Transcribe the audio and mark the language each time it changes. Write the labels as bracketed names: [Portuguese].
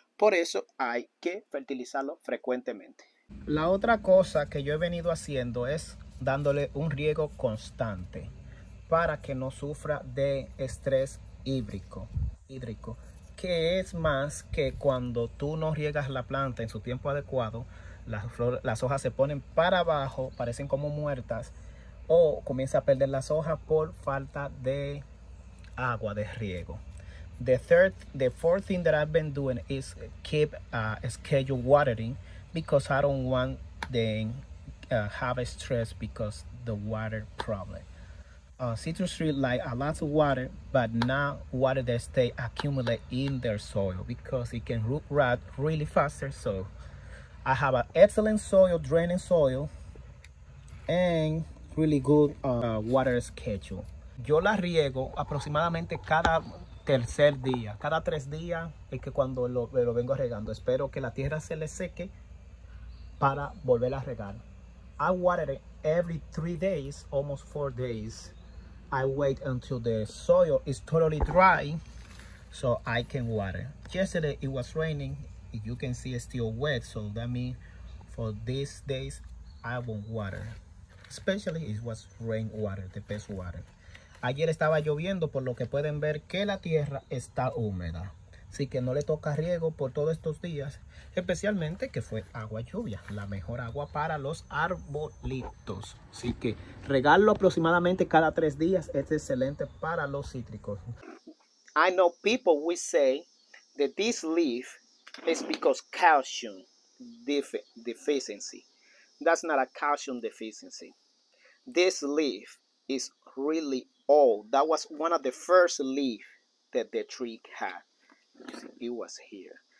[Spanish] Por eso hay que fertilizarlo frecuentemente. La otra cosa que yo he venido haciendo es dándole un riego constante para que no sufra de estrés hídrico, que es más que cuando tú no riegas la planta en su tiempo adecuado, las hojas se ponen para abajo, parecen como muertas, o comienza a perder las hojas por falta de agua, de riego. [English] The fourth thing that I've been doing is keep a scheduled watering, because I don't want them have a stress because the water problem. Citrus tree like a lot of water, but not water that stay accumulate in their soil because it can root rot really faster. So I have an excellent soil, draining soil, and really good water schedule. [Spanish] Yo la riego aproximadamente cada tercer día. Cada tres días es que cuando lo vengo regando. Espero que la tierra se le seque para volver a regar. [English] I water it every 3 days, almost 4 days. I wait until the soil is totally dry so I can water. Yesterday it was raining. You can see it's still wet, so that means for these days I won't water. Especially it was rain water, the best water. [Spanish] Ayer estaba lloviendo, por lo que pueden ver que la tierra está húmeda. Así que no le toca riego por todos estos días, especialmente que fue agua lluvia, la mejor agua para los arbolitos. Así que regarlo aproximadamente cada 3 días es excelente para los cítricos. [English] I know people will say that this leaf is because calcium deficiency. That's not a calcium deficiency. This leaf is really old. That was one of the first leaf that the tree had. It was here.